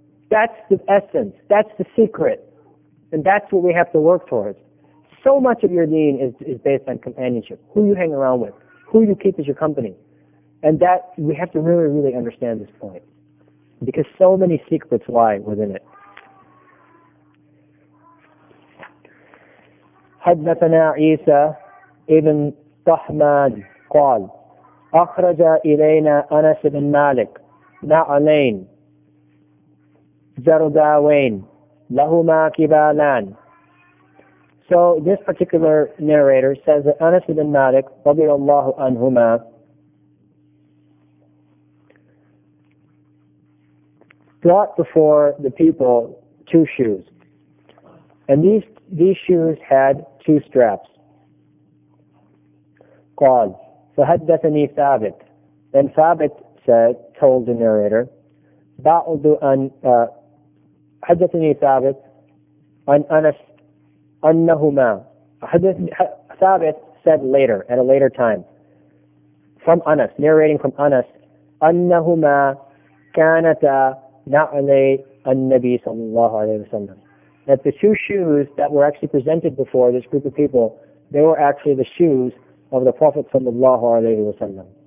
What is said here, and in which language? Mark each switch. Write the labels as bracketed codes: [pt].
[en] That's the essence. That's the secret. And that's what we have to work towards. So much of your deen is based on companionship. Who you hang around with. Who you keep as your company. And that, we have to really, really understand this point. Because so many secrets lie within it. [ar] حدثنا عيسى ابن طحمان قال أخرج إلينا أنس بن مالك نعلين زرداوين لهما كبالان. [en] So this particular narrator says that Anas ibn Malik رضي الله عنهما brought before the people two shoes. And these shoes had two straps. [ar] قال فحدثني ثابت. [en] Then ثابت said, told the narrator, [ar] بعض أن حدثني ثابت عن أنس أنهما. [en] ثابت said later, at a later time, from Anas, narrating from Anas, [ar] أنهما كانتا نعلي النبي صلى الله عليه وسلم. [en] That the two shoes that were actually presented before this group of people, they were actually the shoes of the Prophet sallallahu alayhi wa sallam.